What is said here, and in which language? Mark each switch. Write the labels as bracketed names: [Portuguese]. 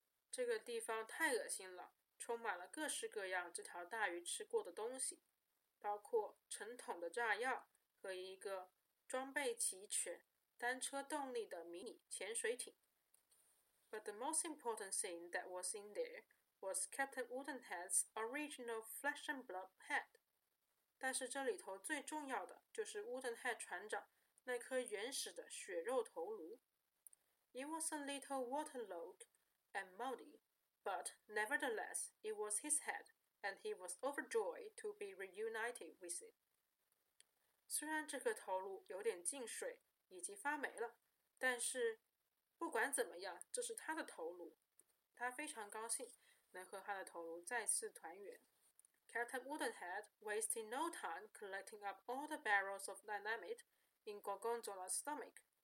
[Chinese] 这个地方太恶心了，充满了各式各样这条大鱼吃过的东西。包括成桶的炸药和一个装备齐全、单车动力的迷你潜水艇。 [English] But the most important thing that was in there was Captain Woodenhead's original flesh and blood pet. [Chinese] 但是这里头最重要的就是 Woodenhead 船长那颗原始的血肉头颅。 [English] It was a little waterlogged and muddy, but nevertheless, it was his head. And he was overjoyed to be reunited with it. [Chinese] 虽然这颗头颅有点进水以及发霉了，但是不管怎么样，这是他的头颅。他非常高兴能和他的头颅再次团圆。 [English] Captain Woodenhead wasted no time collecting up all the barrels of dynamite in Gorgonzola's stomach.